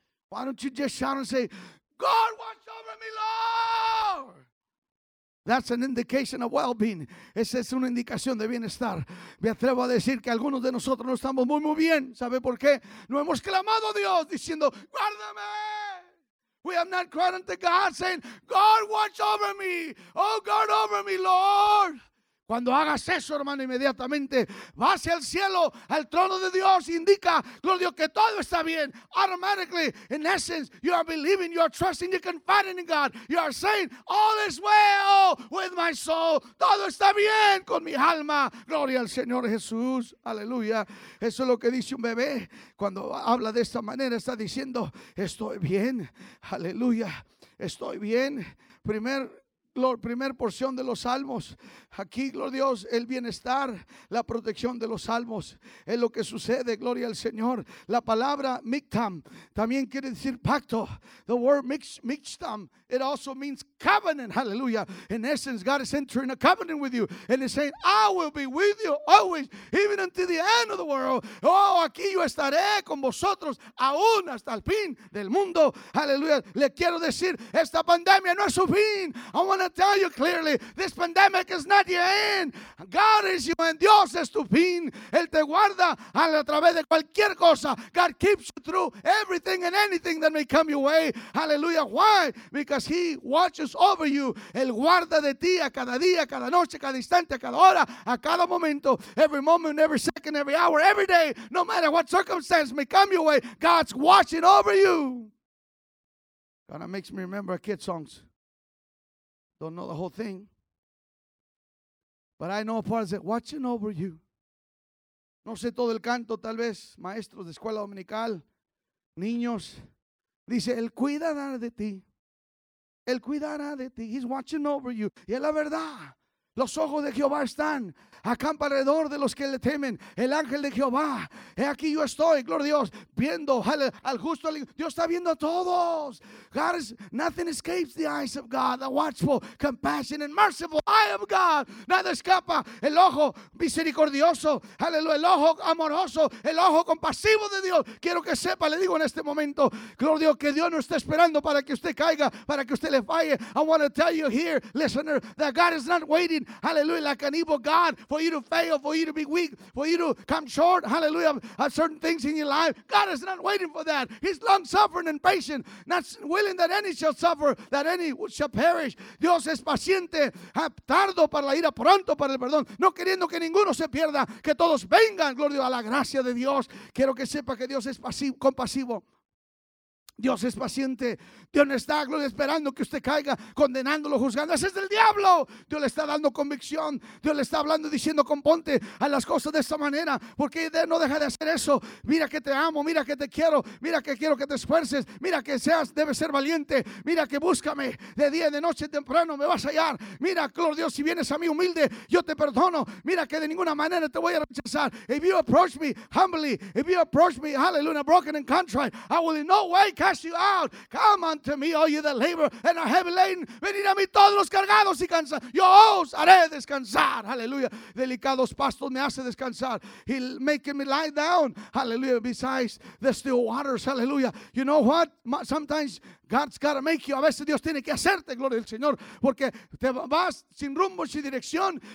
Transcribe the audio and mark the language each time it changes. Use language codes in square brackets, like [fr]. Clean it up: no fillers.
[en] Why don't you just shout and say, God, watch over me, Lord. That's an indication of well-being. [es] Esa es una indicación de bienestar. Me atrevo a decir que algunos de nosotros no estamos muy, muy bien. ¿Sabe por qué? No hemos clamado a Dios diciendo, ¡guárdame! [en] We have not cried unto God saying, God, watch over me. Oh, God, over me, Lord. [es] Cuando hagas eso, hermano, inmediatamente va hacia el cielo, al trono de Dios, indica, gloria Dios, que todo está bien. [en] Automatically, in essence, you are believing, you are trusting, you're confiding in God. You are saying, all is well with my soul. [es] Todo está bien con mi alma. Gloria al Señor Jesús. Aleluya. Eso es lo que dice un bebé. Cuando habla de esta manera, está diciendo, estoy bien. Aleluya. Estoy bien. Primer porción de los salmos. Aquí, gloria a Dios, el bienestar, la protección de los salmos. Es lo que sucede, gloria al Señor. La palabra mictam también quiere decir pacto. [en] The word mictam, it also means covenant, hallelujah. In essence, God is entering a covenant with you. And he's saying, I will be with you always, even until the end of the world. [es] Oh, aquí yo estaré con vosotros, aún hasta el fin del mundo. Hallelujah. Le quiero decir, esta pandemia no es su fin. [en] I want to tell you clearly, this pandemic is not your end. God is your end. [es] Dios es tu fin. Él te guarda a través de cualquier cosa. [en] God keeps you through everything and anything that may come your way. Hallelujah. Why? Because he watches over you. [es] Él guarda de ti a cada día, a cada noche, a cada instante, a cada hora, a cada momento. [en] Every moment, every second, every hour, every day, no matter what circumstance may come your way, God's watching over you. Kind of makes me remember kids' songs. Don't know the whole thing. But I know part of it. Watching over you. [es] No sé todo el canto, tal vez, maestros de escuela dominical, niños. Dice, él cuidará de ti. Él cuidará de ti. [en] He's watching over you. [es] Y es la verdad. Los ojos de Jehová están. Acampa alrededor de los que le temen. El ángel de Jehová. He aquí yo estoy, gloria a Dios, viendo al justo. Dios está viendo a todos. [en] God is, nothing escapes the eyes of God, the watchful, compassionate, and merciful eye of God. [es] Nada escapa. El ojo misericordioso. Aleluya. El ojo amoroso. El ojo compasivo de Dios. Quiero que sepa, le digo en este momento, gloria a Dios, que Dios no está esperando para que usted caiga, para que usted le falle. [en] I want to tell you here, listener, that God is not waiting, hallelujah, like an evil God, for you to fail, for you to be weak, for you to come short, hallelujah, of certain things in your life. God is not waiting for that. He's long-suffering and patient, not willing that any shall suffer, that any shall perish. [es] Dios es paciente, tardo para la ira, pronto para el perdón, no queriendo que ninguno se pierda, que todos vengan, gloria a la gracia de Dios. Quiero que sepa que Dios es compasivo. Dios es paciente. Dios no está, gloria, esperando que usted caiga, condenándolo, juzgando. ¡Ese es el diablo! Dios le está dando convicción. Dios le está hablando, diciendo, componte a las cosas de esta manera. Porque no deja de hacer eso. Mira que te amo. Mira que te quiero. Mira que quiero que te esfuerces. Mira que seas, debes ser valiente. Mira que búscame de día y de noche, temprano me vas a hallar. Mira, gloria a Dios, si vienes a mí humilde, yo te perdono. Mira que de ninguna manera te voy a rechazar. [en] If you approach me humbly, if you approach me, hallelujah, broken and contrite, I will in no way cast you out. Come unto me, all you that labor and are heavy laden. [es] Venid a mí todos los cargados y cansados. Yo os haré descansar. Hallelujah. Delicados pastos me hace descansar. [en] He'll make me lie down. Hallelujah. Besides the still waters. Hallelujah. You know what? Sometimes God's got to make you. [es] A veces Dios tiene que hacerte, gloria al Señor. Porque te vas sin rumbo, sin dirección.